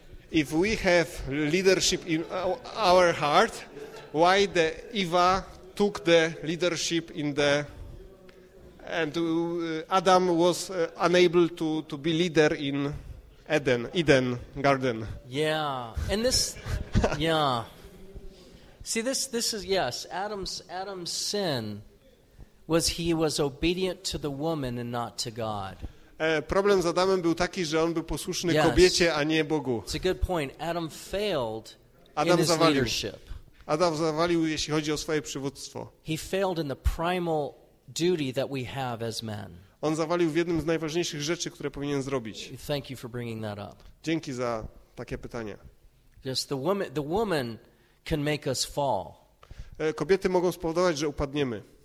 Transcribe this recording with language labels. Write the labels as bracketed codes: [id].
[en] If we have leadership in our heart, why the Eva took the leadership in the and Adam was unable to be leader in Eden garden. Yeah. And this yeah. See this is yes, Adam's sin was he was obedient to the woman and not to God. [pl] Problem z Adamem był taki, że on był posłuszny yes. kobiecie, a nie Bogu. [en] It's a good point. Adam failed Adam in his [pl] zawalił. [en] Leadership. [pl] Adam zawalił, jeśli chodzi o swoje przywództwo. [en] He failed in the primal duty that we have as men. [pl] On zawalił w jednym z najważniejszych rzeczy, które powinien zrobić. [en] Thank you for bringing that up. [pl] Dzięki za takie pytanie. [en] Yes, the woman can make us fall. [pl] Kobiety mogą spowodować, że upadniemy.